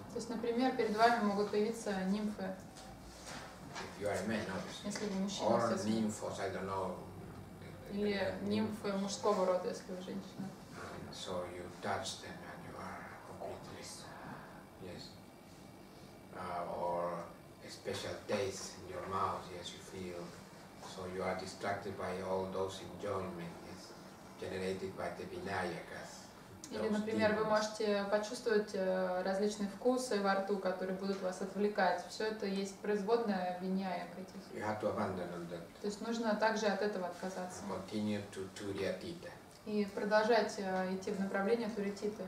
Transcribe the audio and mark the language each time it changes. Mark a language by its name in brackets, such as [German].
[Russian] То есть, например, перед вами могут появиться нимфы. [English] If you are a man, obviously. [Russian] Если вы мужчина. [English] Or nymphos, I don't know. [Russian] Или нимфы мужского рода, если вы женщина. [English] So you touch them and you are completely, yes. Or a special taste in your mouth, yes, you feel. So you are distracted by all those enjoyments, yes, generated by the vinayakas. [Russian] Или, например, вы можете почувствовать различные вкусы во рту, которые будут вас отвлекать. Все это есть производная виньяяк этих. [English] You have to abandon that. [Russian] То есть нужно также от этого отказаться. [English] Continue to Turiatita. [Russian] И продолжать идти в направлении Туриатиты.